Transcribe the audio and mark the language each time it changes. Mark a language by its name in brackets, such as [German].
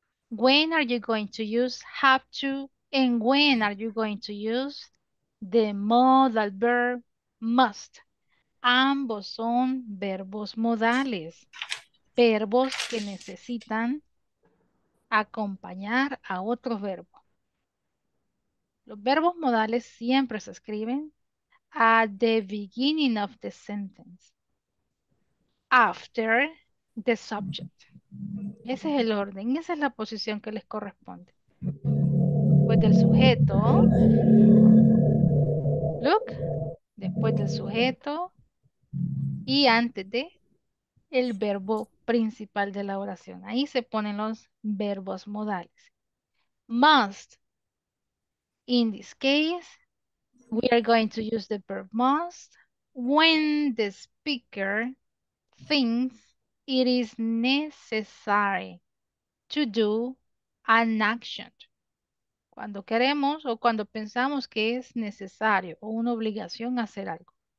[English] When are you going to use have to and when are you going to use the modal verb must? [Spanish] Ambos son verbos modales, verbos que necesitan acompañar a otro verbo. Los verbos modales siempre se escriben [English] at the beginning of the sentence, after the subject. [Spanish] Ese es el orden, esa es la posición que les corresponde. Después del sujeto, [English] look, [Spanish] después del sujeto y antes de el verbo principal de la oración. Ahí se ponen los verbos modales. [English] Must, in this case, we are going to use the verb must when the speaker thinks it is necessary to do an action. [Spanish] Cuando queremos o cuando pensamos que es necesario o una obligación hacer algo.